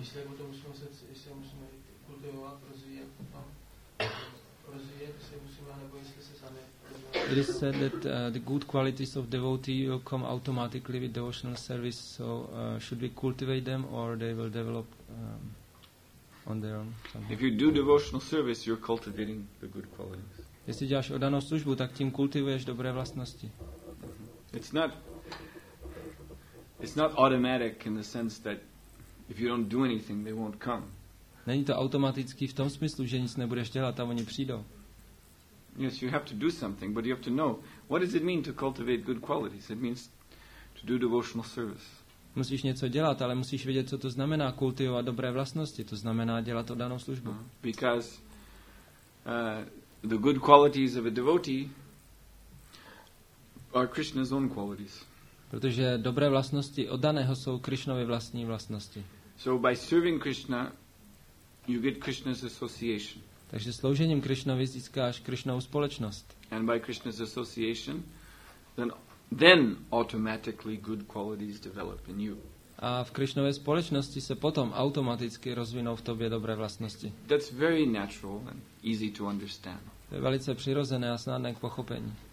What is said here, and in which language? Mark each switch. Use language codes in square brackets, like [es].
[en] It is said that the good qualities of devotee will come automatically with devotional service, so should we cultivate them or they will develop on their own? Somehow? If you do devotional service, you're cultivating the good qualities. [cs] Jestli děláš oddanou službu, tak tím kultivuješ dobré vlastnosti. [en] It's not automatic in the sense that if you don't do anything, they won't come. [cs] Není to automatický v tom smyslu, že nic nebudeš dělat a oni přijdou. [en] Yes, you have to do something, but you have to know what does it mean to cultivate good qualities. It means to do devotional service. [cs] Musíš něco dělat, ale musíš vědět, co to znamená kultivovat dobré vlastnosti. To znamená dělat oddanou službu. [en] Because the good qualities of a devotee are Krishna's own qualities. [cs] Protože dobré vlastnosti oddaného jsou Krišnovy vlastní vlastnosti. [en] So by serving Krishna, you get Krishna's association. [cs] Takže sloužením Krišnovi získáš Krišnovu společnost. [en] And by Krishna's association, then automatically good qualities develop in you. [cs] A v Krišnově společnosti se potom automaticky rozvinou v tobě dobré vlastnosti. [en] That's very natural and easy to understand. [cs] To je velice přirozené a snadné k pochopení.